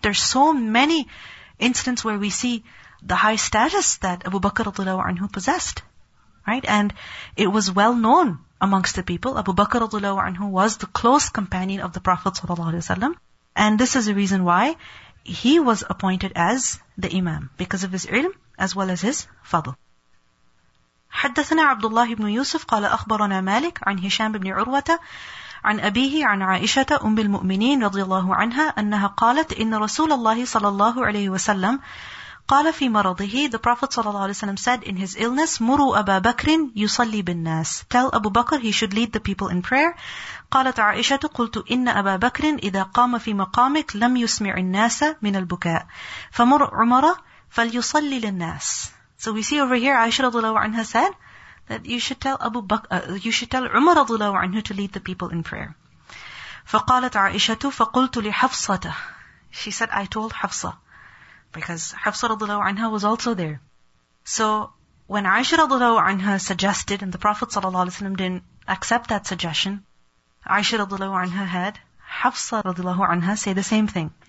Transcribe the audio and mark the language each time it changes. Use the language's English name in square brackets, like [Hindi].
[English] There's so many instance where we see the high status that Abu Bakr radiallahu anhu possessed, right? And it was well known amongst the people. Abu Bakr radhiyallahu anhu was the close companion of the Prophet sallallahu alaihi wasallam, and this is the reason why he was appointed as the imam, because of his ilm as well as his fadl. [Arabic] حدثنا عبد الله بن يوسف قال أخبرنا مالك عن هشام بن عروة عن أبيه عن عائشة أم المؤمنين رضي الله عنها أنها قالت إن رسول الله صلى الله عليه وسلم قال في مرضه. [English] The Prophet صلى الله عليه وسلم said in his illness, [Arabic] مروا أبا بكر يصلي بالناس. [English] Tell Abu Bakr he should lead the people in prayer. [Arabic] قالت عائشة قلت إن أبا بكر إذا قام في مقامك لم يسمع الناس من البكاء فمر عمر فليصلي للناس. [English] So we see over here, Aisha radhiyallahu anha said that you should tell Abu Bakr, you should tell Umar radhiyallahu anhu to lead the people in prayer. [Arabic] فقالت عائشة فقلت لحفصة. [English] She said, I told Hafsa, because Hafsa radhiyallahu anha was also there. So when Aisha radhiyallahu anha suggested, and the Prophet sallallahu alaihi wasallam didn't accept that suggestion, Aisha radhiyallahu anha had Hafsa radhiyallahu anha say the same thing.